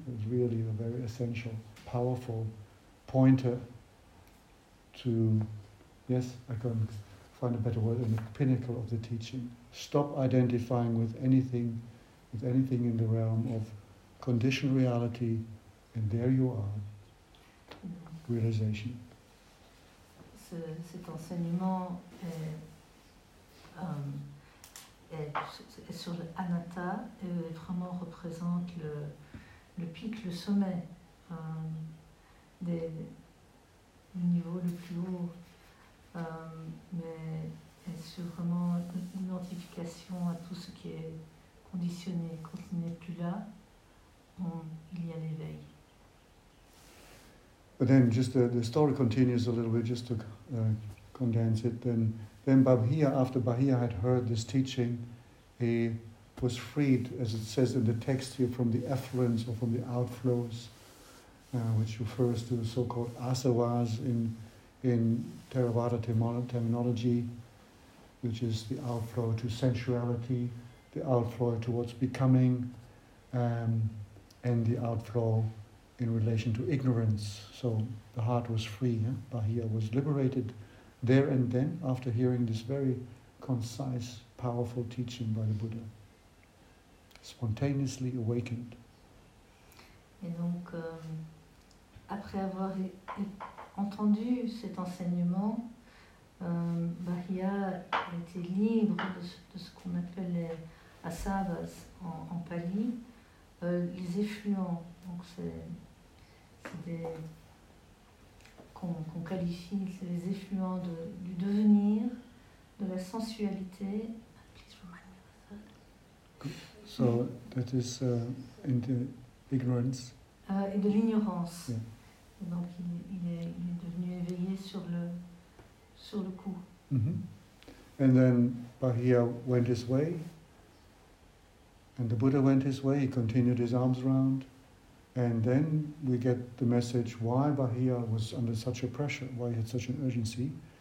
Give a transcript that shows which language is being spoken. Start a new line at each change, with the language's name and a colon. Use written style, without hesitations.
English: It was really a very essential, powerful pointer to, yes, I can't find a better word than the pinnacle of the teaching. Stop identifying with anything in the realm of conditioned reality, and there you are, realization.
French: Cet enseignement est sur l'anatta, vraiment représente le pic, le sommet, le niveau le plus haut, mais est sur vraiment l'identification à tout ce qui est conditionné. Quand il n'est plus là, il y a l'éveil.
English: But then, just the story continues a little bit, just to condense it. Then Bahia, after Bahia had heard this teaching, he was freed, as it says in the text here, from the effluence or from the outflows, which refers to the so-called asavas in Theravada terminology, which is the outflow to sensuality, the outflow towards becoming, and the outflow in relation to ignorance. So the heart was free, eh? Bahia was liberated there and then after hearing this very concise, powerful teaching by the Buddha, spontaneously awakened.
French: Et donc, après avoir entendu cet enseignement, Bahia était libre de ce qu'on appelle les asavas en pali, les effluents, donc qu'on qualifie, c'est les effluents du devenir, de la sensualité.
English: So that is in the ignorance,
French: Et de l'ignorance.
English: Yeah.
French: Donc il est devenu éveillé sur le coup.
English: Mm-hmm. And then Bahia went his way. And the Buddha went his way. He continued his arms around. And then we get the message why Bahia was under such a pressure, why he had such an urgency.